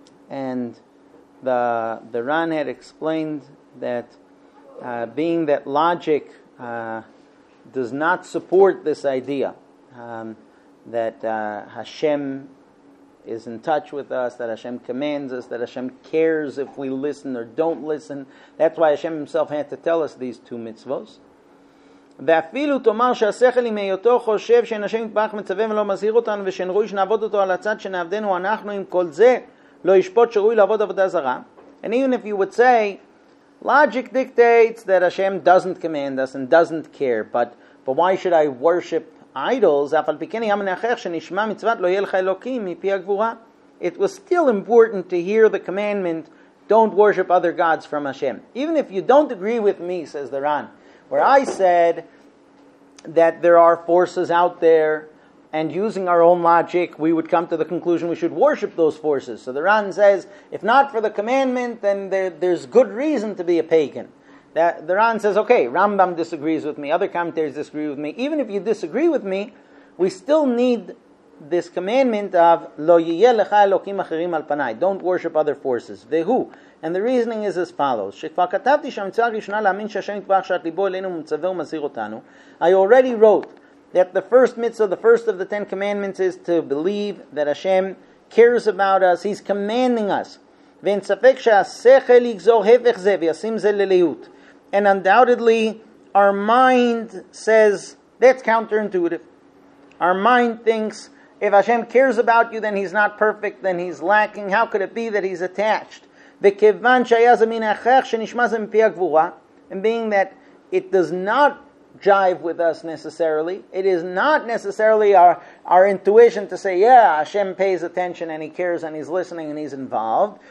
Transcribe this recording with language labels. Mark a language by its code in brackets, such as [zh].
[en] And the Ran had explained that being that logic does not support this idea that Hashem is in touch with us, that Hashem commands us, that Hashem cares if we listen or don't listen. That's why Hashem himself had to tell us these two mitzvos. [he] ואפילו תאמר שהשכל עם היותו חושב שאין השם יתברך מצווה ולא מזהיר אותנו ושאין רואי שנעבוד אותו על הצד שנעבדנו אנחנו עם כל זה לא ישפוט שרואי לעבוד עבודה זרה. [en] And even if you would say, logic dictates that Hashem doesn't command us and doesn't care, but why should I worship idols? [he] אף על פי כן היה מנחך שנשמע מצוות לא יהיה לך אלוקים מפי הגבורה. [en] It was still important to hear the commandment, don't worship other gods from Hashem. Even if you don't agree with me, says the Ran, where I said that there are forces out there and using our own logic, we would come to the conclusion we should worship those forces. So the Ran says, if not for the commandment, then there's good reason to be a pagan. That the Ran says, okay, Rambam disagrees with me, other commentaries disagree with me. Even if you disagree with me, we still need this commandment of [he] lo yiyeh lecha elokim acherim al panai, [en] don't worship other forces. Vehu. And the reasoning is as follows. [he] שכבר כתבתי שהמצווה הראשונה להאמין שהשם יתברך שאת ליבו אלינו מצווה ומזהיר אותנו. [en] I already wrote that the first mitzvah, the first of the Ten Commandments is to believe that Hashem cares about us, He's commanding us. [he] ואין ספק שהשכל יגזור הפך זה וישים זה לליהות. [en] And undoubtedly, our mind says, that's counterintuitive. Our mind thinks, if Hashem cares about you, then He's not perfect, then He's lacking. How could it be that He's attached? [he] וכיוון שהיה זה מן האחר שנשמע זה מפי הגבורה, [en] and being that it does not jive with us necessarily, it is not necessarily our intuition to say, yeah, Hashem pays attention and He cares and He's listening and He's involved.